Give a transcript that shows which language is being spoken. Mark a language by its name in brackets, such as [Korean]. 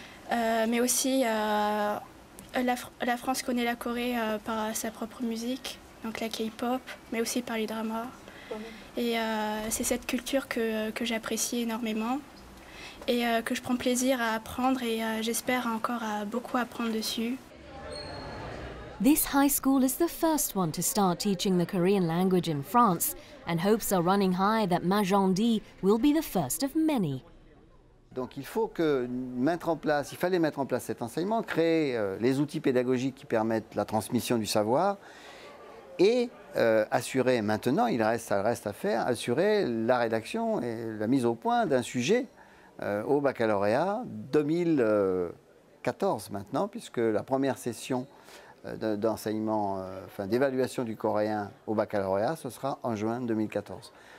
[French] Mais aussi, la France connaît la Corée par sa propre musique, donc la K-pop, mais aussi par les dramas. Et c'est cette culture que j'apprécie énormément et que je prends plaisir à apprendre et j'espère encore beaucoup apprendre dessus. [English] This high school is the first one to start teaching the Korean language in France, and hopes are running high that Magendie will be the first of many. [French] Donc il faut que mettre en place, il fallait mettre en place cet enseignement, créer les outils pédagogiques qui permettent la transmission du savoir, et assurer maintenant, ça reste à faire, assurer la rédaction et la mise au point d'un sujet au baccalauréat 2014 maintenant, puisque la première session d'enseignement, enfin d'évaluation du coréen au baccalauréat, ce sera en juin 2014.